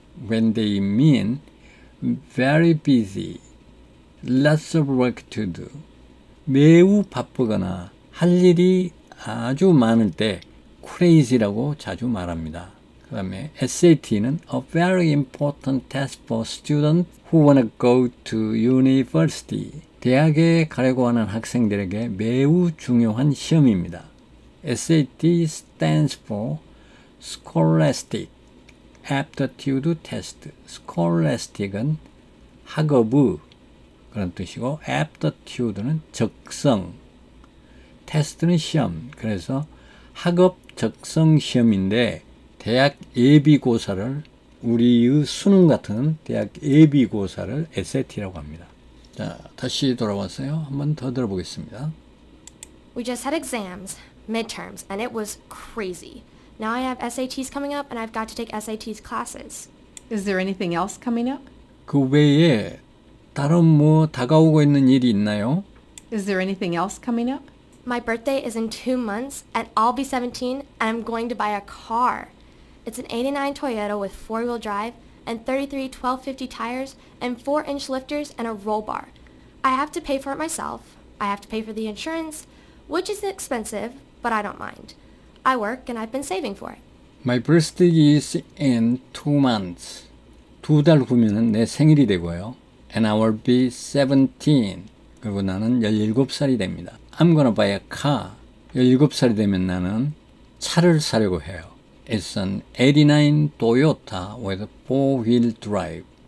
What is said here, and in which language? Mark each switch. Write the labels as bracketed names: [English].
[English] When they mean very busy, lots of work to do. [Korean] 매우 바쁘거나 할 일이 아주 많을 때 crazy라고 자주 말합니다. 그 다음에 SAT는 [English] a very important test for students who want to go to university. [Korean] 대학에 가려고 하는 학생들에게 매우 중요한 시험입니다. [English] SAT stands for Scholastic Aptitude Test. [Korean] Scholastic은 학업의 그런 뜻이고 Aptitude는 적성. 테스트는 시험. 그래서 학업 적성 시험인데 대학 예비고사를 우리의 수능 같은 대학 예비고사를 SAT라고 합니다. 자, 다시 돌아왔어요. 한 번 더 들어보겠습니다. [English] We just had exams, midterms, and it was crazy. Now I have SATs coming up, and I've got to take SATs classes. Is there anything else coming up? [Korean] 그 외에 다른 뭐 다가오고 있는 일이 있나요? [English] Is there anything else coming up? My birthday is in 2 months, and I'll be 17, and I'm going to buy a car. It's an 89 Toyota with 4-wheel drive, and 33 1250 tires, and 4-inch lifters, and a roll bar. I have to pay for it myself. I have to pay for the insurance, which is expensive, but I don't mind. I work, and I've been saving for it. My birthday is in 2 months. [Korean] 두 달 후면은 내 생일이 되고요. [English] And I will be 17. [Korean] 그리고 나는 17살이 됩니다. [English] I'm gonna buy a car. [Korean] 17살이 되면 나는 차를 사려고 해요. [English] It's an 89 Toyota with 4-wheel drive.